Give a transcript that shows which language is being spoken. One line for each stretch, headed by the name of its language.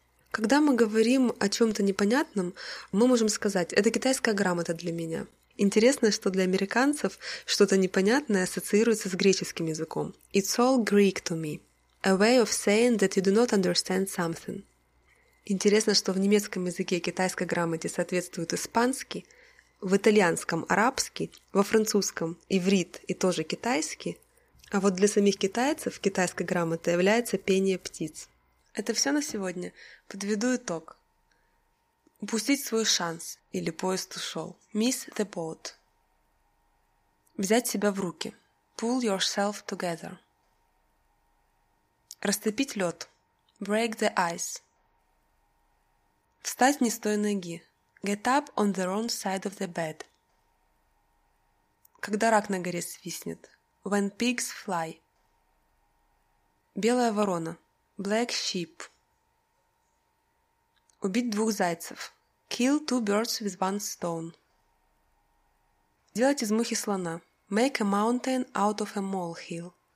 Russian: Когда мы говорим о чем-то непонятном, мы можем сказать «Это китайская грамота для меня». Интересно, что для американцев что-то непонятное ассоциируется с греческим языком.
English: «It's all Greek to me». A way of saying that you do not understand something.
Russian: Интересно, что в немецком языке китайской грамоте соответствует испанский, в итальянском – арабский, во французском – иврит и тоже китайский, а вот для самих китайцев китайской грамотой является пение птиц. Это все на сегодня. Подведу итог. Упустить свой шанс или поезд ушел.
English: Miss the boat.
Russian: Взять себя в руки.
English: Pull yourself together.
Russian: Растопить лед.
English: Break the ice.
Russian: Встать не с той ноги.
English: Get up on the wrong side of the bed.
Russian: Когда рак на горе свистнет.
English: When pigs fly.
Russian: Белая ворона.
English: Black sheep.
Russian: Убить двух зайцев.
English: Kill two birds with one stone.
Russian: Сделать из мухи слона.
English: Make a mountain out of a molehill.